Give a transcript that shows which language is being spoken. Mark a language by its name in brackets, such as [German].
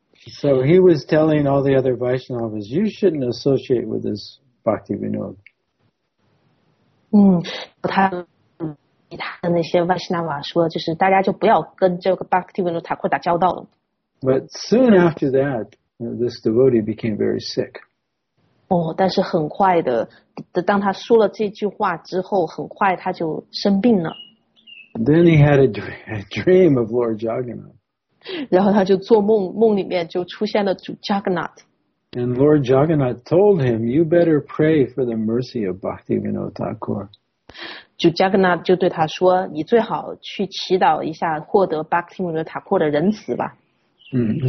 [English] So he was telling all the other Vaishnavas, you shouldn't associate with this Bhaktivinoda. [Chinese] 他其他的那些 Vaishnava 说，就是大家就不要跟这个 Bhaktivinoda Thakur 打交道了。 [English] But soon after that, this devotee became very sick. [Chinese] 但是很快的，当他说了这句话之后，很快他就生病了。 [English] Then he had a dream of Lord Jagannath. [Chinese] 然后他就做梦，梦里面就出现了主 Jagannath。 [English] And Lord Jagannath told him, "You better pray for the mercy of Bhaktivinoda Thakur." [Chinese] 主 Jagannath 就对他说：“你最好去祈祷一下，获得 Bhaktivinoda Thakur 的仁慈吧。”